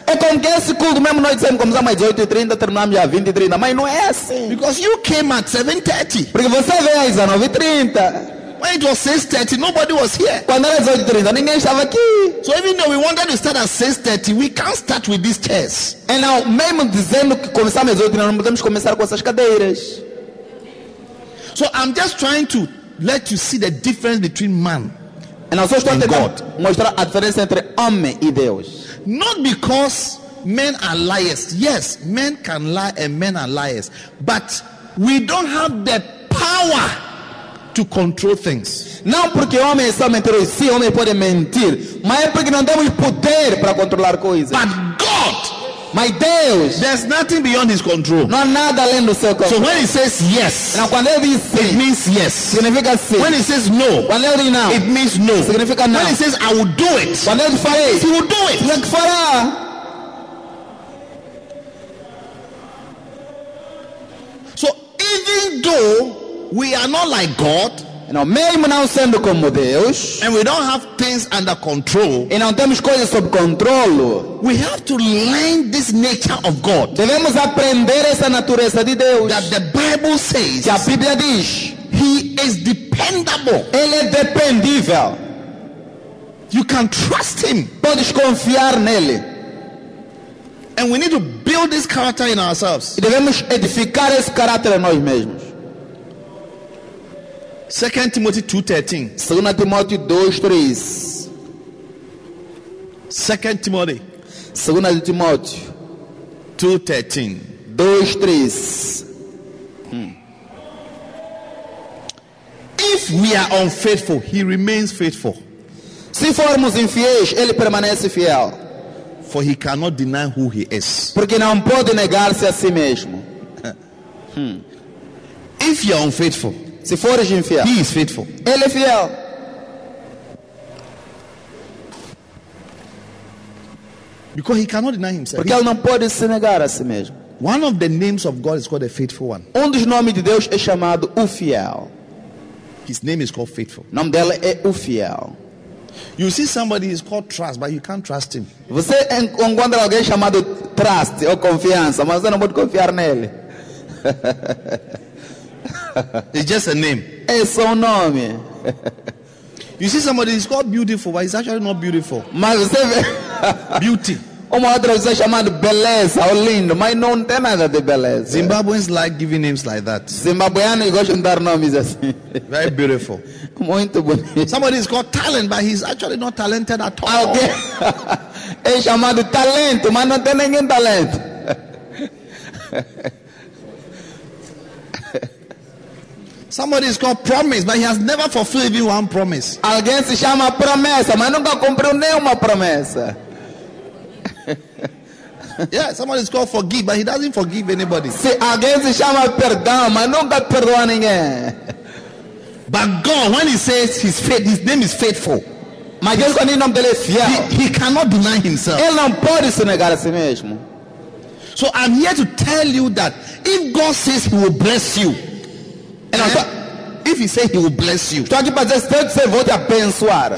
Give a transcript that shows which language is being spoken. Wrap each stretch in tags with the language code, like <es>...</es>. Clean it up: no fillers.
<pt>É como que esse culto mesmo nós dizemos começar mais 8:30, terminamos já 20:30. Mas não é assim.</pt> <en>Because you came at 7:30.</en> <pt>Porque você veio às 9:30.</pt> <en>When it was 6:30, nobody was here.</en> <pt>Quando era 8:30, ninguém estava aqui.</pt> <en>So even though we wanted to start at 6:30, we can't start with these chairs. And now,</en> <pt>mesmo dizendo que começamos às 8:30, não podemos começar com essas cadeiras.</pt> <en>So I'm just trying to let you see the difference between man and God.</en> <pt>Mostrar a diferença entre homem e Deus.</pt> <en>Not because men are liars. Yes, men can lie and men are liars. But we don't have the power to control things.</en> <pt>Não porque homem é só mentiroso. Sim, homem pode mentir. Mas é porque não temos poder para controlar coisas.</pt> <en>But God, my Deus, there's nothing beyond his control.</en> <pt>Não há nada além do seu controle.</pt> <en>So when he says yes, now,</en> <pt>quando ele diz sim,</pt> <en>it means yes.</en> <pt>Significa sim.</pt> <en>When he says no,</en> <pt>quando ele diz não,</pt> <en>it means no.</en> <pt>Significa não.</pt> <en>When he says I will do it,</en> <pt>quando ele farei,</pt> <en>he will do it.</en> <pt>Significa fará.</pt> <en>So even though we are not like God, now,</en> <pt>mesmo não sendo como Deus,</pt> <en>and we don't have things under control,</en> <pt>e não temos coisas sob controlo,</pt> <en>we have to learn this nature of God.</en> <pt>Devemos aprender essa natureza de Deus.</pt> <en>That the Bible says,</en> <pt>que a Bíblia diz,</pt> <en>he is dependable.</en> <pt>Ele é dependível.</pt> <en>You can trust him.</en> <pt>Podes confiar nele.</pt> <en>And we need to build this character in ourselves.</en> <pt>E devemos edificar esse caráter em nós mesmos.</pt> <en>2 Timothy 2:13.</en> <pt>2 Timóteo 2:3. 2 Timóteo. 2 Timóteo 2:13. 2:3.</pt> <en>If we are unfaithful, he remains faithful.</en> <pt>Se formos infiéis, ele permanece fiel.</pt> <en>For he cannot deny who he is.</en> <pt>Porque não pode negar-se a si mesmo.</pt> <en>If you are unfaithful,</en> <pt>se fores infiel,</pt> <en>he is faithful.</en> <pt>Ele é fiel.</pt> <en>Because he cannot deny himself.</en> <pt>Porque ele não pode se negar a si mesmo.</pt> <en>One of the names of God is called the faithful one.</en> <pt>Um dos nomes de Deus é chamado o fiel.</pt> <en>His name is called faithful.</en> <pt>O nome dele é o fiel.</pt> <en>You see somebody is called trust, but you can't trust him.</en> <pt>Você encontra alguém chamado trust ou confiança, mas você não pode confiar nele.</pt> <en>It's just a name.</en> <pt>É só um nome.</pt> <en>You see somebody is called beautiful, but he's actually not beautiful.</en> <pt>Mas você vê</pt> <en>beauty.</en> <pt>Uma outra pessoa chamada beleza ou lindo, mas não tem nada de beleza.</pt> <en>Zimbabweans like giving names like that.</en> <pt>Zimbabweano gosta de dar nomes assim.</pt> <en>Very beautiful.</en> <pt>Muito bonito.</pt> <en>Somebody is called talent, but he's actually not talented at all. Okay.</en> <pt>É chamado talento, mas não tem nenhum talento.</pt> <en>Somebody is called promise, but he has never fulfilled even one promise.</en> <pt>Alguém se chama promessa, mas nunca cumpriu nenhuma promessa.</pt> <en>Yeah, somebody is called forgive, but he doesn't forgive anybody.</en> <pt>Se alguém se chama perdão, mas nunca perdoa ninguém.</pt> <en>But God, when he says his faith, his name is faithful.</en> <pt>Mas Deus, quando ele não dele é fiel,</pt> <en>he cannot deny himself.</en> <pt>Ele não pode se negar a si mesmo.</pt> <en>So I'm here to tell you that if God says he will bless you, and yeah, if he says he will bless you,</en> <pt>estou aqui para dizer, se vou te abençoar,</pt>